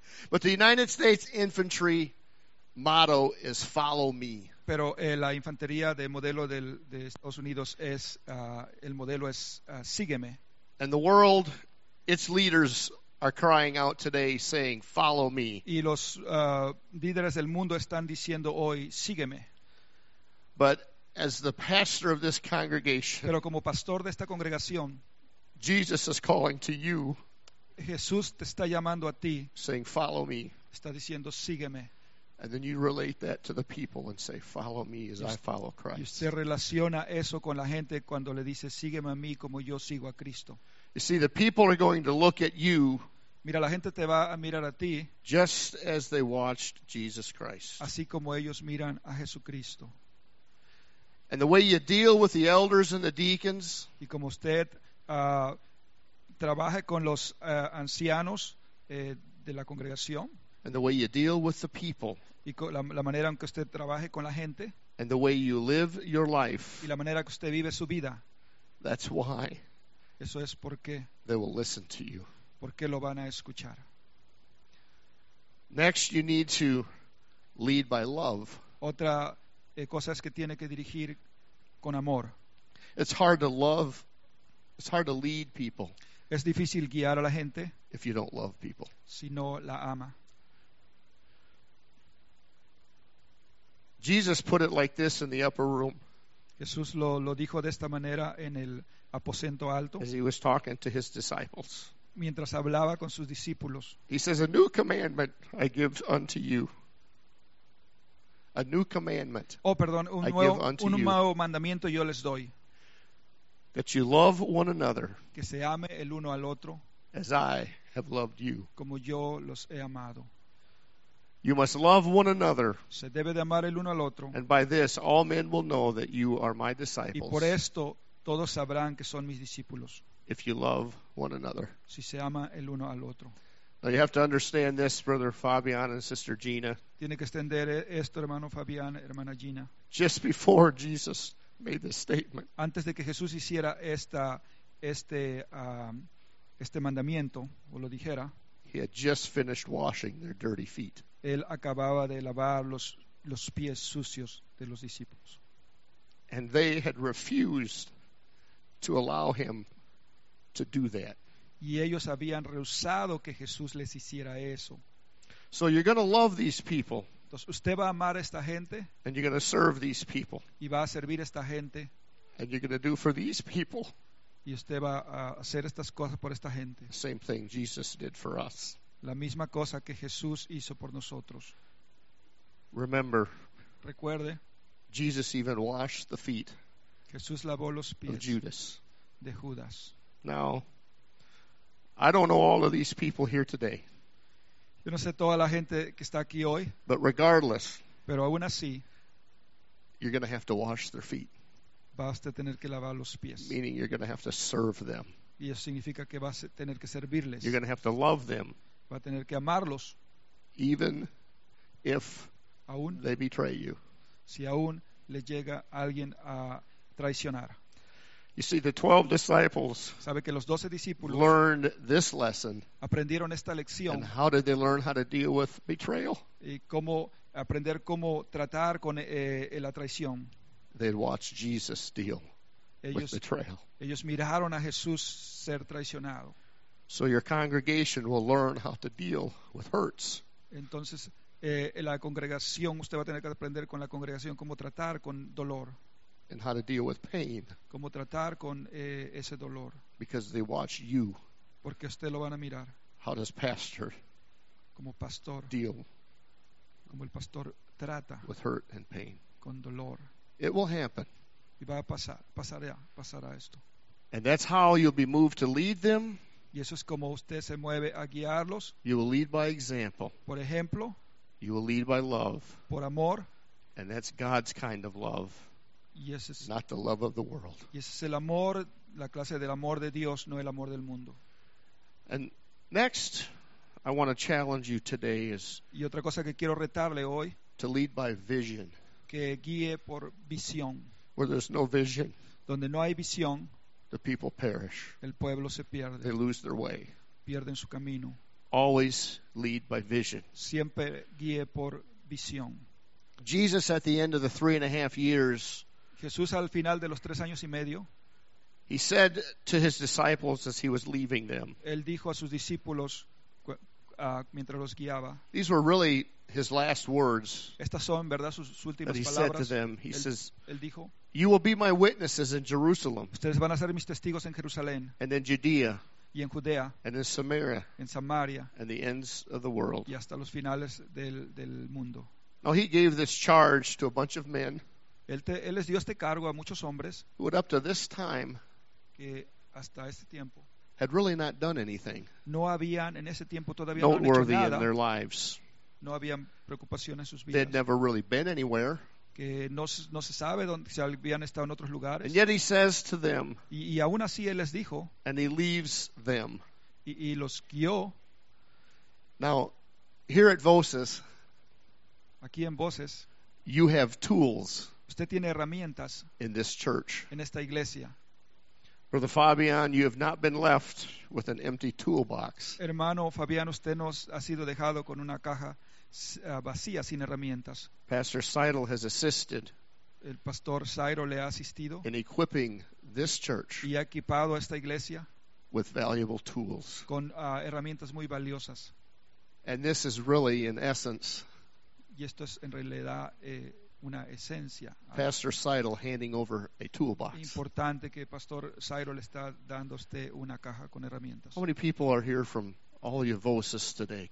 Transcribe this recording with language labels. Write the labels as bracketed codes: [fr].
[en] But the United States Infantry motto is "Follow me." [es] Pero la infantería de modelo de Estados Unidos es el modelo es sígueme. [en] And the world, its leaders are crying out today, saying, "Follow me." [es] Y los líderes del mundo están diciendo hoy, sígueme. [en] But as the pastor of this congregation, [es] pero como pastor de esta congregación, [en] Jesus is calling to you. [es] Jesús te está llamando a ti. [en] Saying, "Follow me." [es] Está diciendo, sígueme. [en] And then you relate that to the people and say, "Follow me as I follow Christ." [es] Y usted relaciona eso con la gente cuando le dice, sígueme a mí como yo sigo a Cristo. [en] You see, the people are going to look at you. [es] Mira, la gente te va a mirar a ti. [en] Just as they watched Jesus Christ. [es] Así como ellos miran a Jesucristo. [en] And the way you deal with the elders and the deacons. [es] Y como usted trabaje con los ancianos de la congregación. [en] And the way you deal with the people. [es] Y la manera en que usted trabaje con la gente. [en] And the way you live your life. [es] Y la manera que usted vive su vida. [en] That's why. [es] Eso es porque. [en] They will listen to you. [es] Porque lo van a escuchar. [en] Next, you need to lead by love. [es] Otra cosas que tiene que dirigir con amor. [en] It's hard to love. It's hard to lead people. [es] Es difícil guiar a la gente. [en] If you don't love people. [es] Si no la ama. [en] Jesus put it like this in the upper room. [es] Jesús lo dijo de esta manera en el aposento alto. [en] As he was talking to his disciples. [es] Mientras hablaba con sus discípulos. [en] He says, "A new commandment I give unto you." A new commandment. [es] Oh, perdón, un nuevo mandamiento yo les doy. [en] That you love one another. [es] Que se ame el uno al otro. [en] As I have loved you. [es] Como yo los he amado. [en] You must love one another. [es] Se debe de amar el uno al otro. [en] And by this all men will know that you are my disciples. [es] Y por esto todos sabrán que son mis discípulos. [en] If you love one another. [es] Si se ama el uno al otro. [en] Now you have to understand this, Brother Fabian and Sister Gina. [es] Tiene que entender esto, hermano Fabián, hermana Gina. [en] Just before Jesus made this statement. [es] Antes de que Jesús hiciera este mandamiento o lo dijera. [en] He had just finished washing their dirty feet. [es] Él acababa de lavar los pies sucios de los discípulos. [en] And they had refused to allow him to do that. [es] Y ellos habían rehusado que Jesús les hiciera eso. [en] So you're going to love these people. [es] Entonces usted va a amar a esta gente. [en] And you're going to serve these people. [es] Y va a servir a esta gente. [en] And you're going to do for these people. [es] Y usted va a hacer estas cosas por esta gente. [en] Same thing Jesus did for us. [es] La misma cosa que Jesús hizo por nosotros. [en] Remember. [es] Recuerde. [en] Jesus even washed the feet. [es] Jesús lavó los pies. [en] Of Judas. [es] De Judas. [en] Now, I don't know all of these people here today. [es] Yo no sé toda la gente que está aquí hoy. [en] But regardless. [es] Pero aún así. [en] You're going to have to wash their feet. [es] Vas a tener que lavar los pies. [en] Meaning you're going to have to serve them. [es] Y eso significa que vas a tener que servirles. [en] You're going to have to love them. [es] Va a tener que amarlos. [en] Even if [es] aún [en] they betray you. [es] Si aún le llega alguien a traicionar. [en] You see, the 12 disciples, [es] sabe que los 12 discípulos, [en] learned this lesson. [es] Aprendieron esta lección. [en] And how did they learn how to deal with betrayal? [es] Y cómo aprender cómo tratar con la traición. [en] They'd watch Jesus deal [es] ellos, [en] with betrayal. [es] Ellos miraron a Jesús ser traicionado. [en] So your congregation will learn how to deal with hurts. [es] Entonces, la congregación, usted va a tener que aprender con la congregación cómo tratar con dolor. [en] And how to deal with pain. [es] Cómo tratar con ese dolor. [en] Because they watch you. [es] Porque usted lo van a mirar. [en] How does pastor, [es] como pastor [en] deal, [es] como el pastor trata [en] with hurt and pain. [es] Con dolor. [en] It will happen. [es] Y va a pasará esto. [en] And that's how you'll be moved to lead them. [es] Y eso es como usted se mueve a guiarlos. [en] You will lead by example. [es] Por ejemplo. [en] You will lead by love. [es] Por amor. [en] And that's God's kind of love. [es] Y ese es, [en] not the love of the world. [es] Y ese es el amor, la clase del amor de Dios, no el amor del mundo. [en] And next, I want to challenge you today is [es] y otra cosa que quiero retarle hoy, [en] to lead by vision. [es] Que guíe por visión. [en] Where there's no vision, [es] donde no hay visión, [en] the people perish. [es] El pueblo se pierde. [en] They lose their way. [es] Pierden su camino. [en] Always lead by vision. [es] Siempre guíe por visión. [en] Jesus, at the end of the 3.5 years, [es] Jesús al final de los 3 años y medio, [en] he said to his disciples as he was leaving them, [es] él dijo a sus discípulos mientras los guiaba, [en] these were really his last words. [es] Estas son, verdad, sus últimas [en] that he [es] palabras. [en] Said to them, he [es] él, [en] says, [es] él dijo, [en] you will be my witnesses in Jerusalem. [es] Ustedes van a ser mis testigos en Jerusalén. [en] And then Judea. [es] Y en Judea. [en] And then Samaria. [es] En Samaria. [en] And the ends of the world. [es] Y hasta los finales del mundo. [en] Now he gave this charge to a bunch of men. [es] Él les dio este cargo a muchos hombres. [en] Who up to this time. [es] Que hasta este tiempo. [en] Had really not done anything. [es] No habían en ese tiempo todavía [en] noteworthy [es] no han hecho nada. [en] In their lives. [es] No habían preocupación en sus vidas. [en] They'd never really been anywhere. [es] Que no se sabe dónde si habían estado en otros lugares. [en] And yet he says to them. [es] Y aún así él les dijo. [en] And he leaves them. [es] Y los guió. [en] Now, here at Voces. [es] Aquí en Voces. [en] You have tools. [es] Usted tiene herramientas. [en] In this church. [es] En esta iglesia. [en] Brother Fabian, you have not been left with an empty toolbox. [es] Hermano Fabián, usted nos ha sido dejado con una caja vacía sin herramientas. [en] Pastor Seidel has assisted. [es] El pastor Seidel le ha asistido. [en] In equipping this church. [es] Y ha equipado esta iglesia. [en] With valuable tools. [es] Con herramientas muy valiosas. [en] And this is really, in essence. [es] Y esto es en realidad una esencia. [en] Pastor Seidel handing over a toolbox. [es] Importante que Pastor Seidel está dando usted una caja con herramientas. [en] How many people are here from all your Voces today?